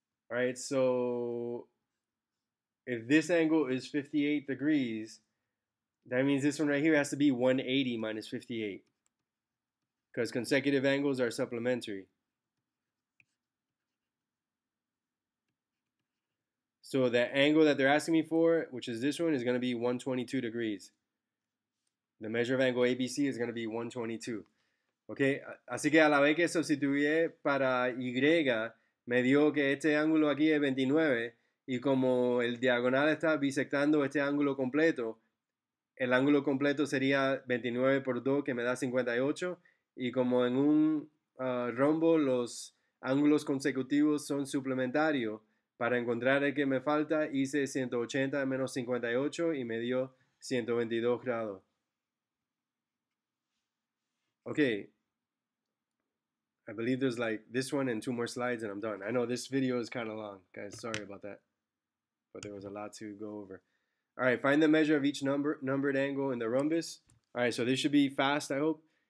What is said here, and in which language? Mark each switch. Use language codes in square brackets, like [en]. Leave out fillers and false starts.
[en] All right, so if this angle is 58 degrees, that means this one right here has to be 180 minus 58. Because consecutive angles are supplementary. So the angle that they're asking me for, which is this one, is going to be 122 degrees. The measure of angle ABC is going to be 122. [es] Okay, así que a la vez que sustituí para Y, me dio que este ángulo aquí es 29, y como el diagonal está bisectando este ángulo completo, el ángulo completo sería 29 por 2, que me da 58, y como en un rombo los ángulos consecutivos son suplementarios, para encontrar el que me falta hice 180 menos 58 y me dio 122 grados. [en] Okay, I believe there's like this one and two more slides and I'm done. I know this video is kind of long, guys, sorry about that, but there was a lot to go over. All right, find the measure of each numbered angle in the rhombus. All right, so this should be fast, I hope.